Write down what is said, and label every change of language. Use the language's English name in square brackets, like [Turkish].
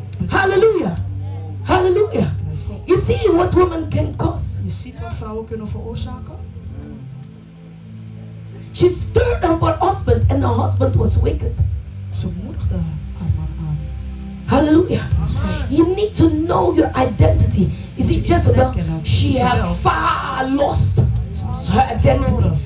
[English] Hallelujah. Hallelujah. You see what women can cause. [Dutch] Je ziet wat vrouwen kunnen veroorzaken. [English] She stirred up her husband and her husband was wicked. [Dutch] Ze moedigde haar. [English] Hallelujah. You need to know your identity. You see, Jezebel, she has far lost her identity.